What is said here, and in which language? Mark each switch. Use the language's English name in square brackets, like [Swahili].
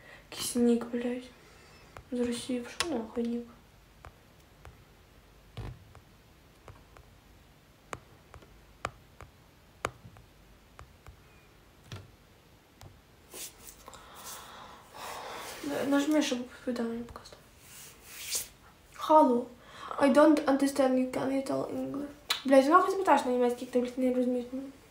[Ukrainian] Якийсь нік, блядь. З Росії, в шо нахуй нік? Нажми, щоб повідомлення показати. Халу. [English] I don't understand you, can you tell English? [Ukrainian] Блядь, нахуй запитаєш на німецький, ти, блядь, не розумієш мені.